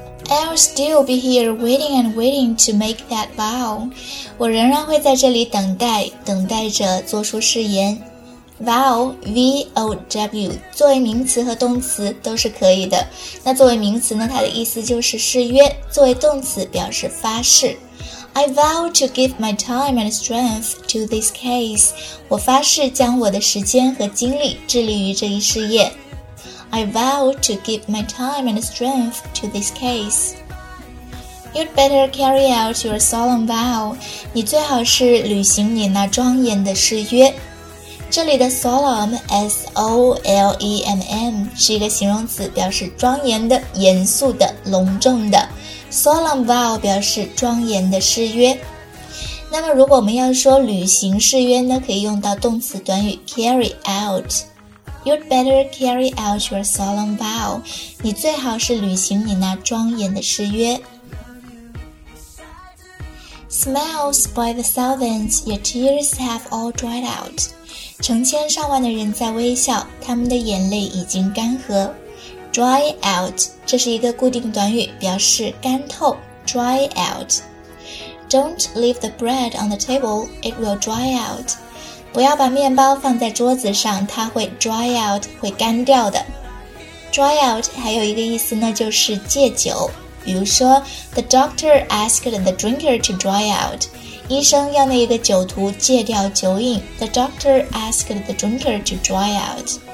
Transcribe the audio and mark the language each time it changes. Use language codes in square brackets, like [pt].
[en] I'll still be here waiting and waiting to make that vow. [zh] 我仍然会在这里等待，等待着做出誓言。 Vow, V-O-W, 作为名词和动词都是可以的。那作为名词呢，它的意思就是誓约，作为动词表示发誓。 [en] I vow to give my time and strength to this case. [zh] 我发誓将我的时间和精力致力于这一事业。 [en] I vow to give my time and strength to this case. You'd better carry out your solemn vow. [zh] 你最好是履行你那庄严的誓约。这里的 solemn, S-O-L-E-M-N, 是一个形容词，表示庄严的、严肃的、隆重的。 [en] Solemn vow [zh] 表示庄严的誓约。那么如果我们要说履行誓约呢，可以用到动词短语 [en] carry out。 You'd better carry out your solemn vow. [zh] 你最好是履行你那庄严的誓约。 [en] Smiles by the thousands, your tears have all dried out. [zh] 成千上万的人在微笑，他们的眼泪已经干涸。 [en] Dry out, [zh] 这是一个固定短语，表示干透。Dry out. [en] Don't leave the bread on the table, it will dry out. [zh] 不要把面包放在桌子上，它会 [en] dry out, [zh] 会干掉的。 [en] Dry out [zh] 还有一个意思呢，就是戒酒。比如说 [en] ,The doctor asked the drinker to dry out. [zh] 医生要那个酒徒戒掉酒瘾。 [en] The doctor asked the drinker to dry out.